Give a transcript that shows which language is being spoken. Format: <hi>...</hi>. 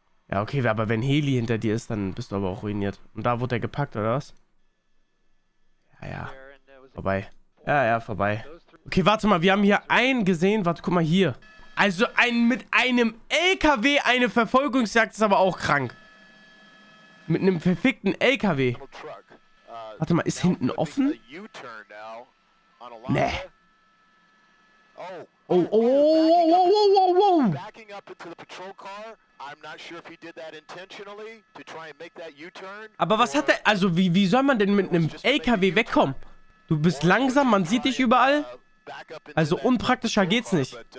<de>Ja, okay, aber wenn Heli hinter dir ist, dann bist du aber auch ruiniert. Und da wurde er gepackt, oder was? Ja, ja. Vorbei. Ja, ja, vorbei. Okay, warte mal, wir haben hier einen gesehen. Warte, guck mal hier. Also ein mit einem LKW eine Verfolgungsjagd ist aber auch krank. Mit einem verfickten LKW. Warte mal, ist hinten offen? Nee.</de> <en>Oh, oh, oh, oh, oh, oh, oh, backing up into the patrol car. I'm not sure if he did that intentionally to try and make that U-turn.</en> <de>Aber was hat er, also wie soll man denn mit einem LKW wegkommen? Du bist langsam, man sieht dich überall. Also unpraktischer geht's nicht.</de>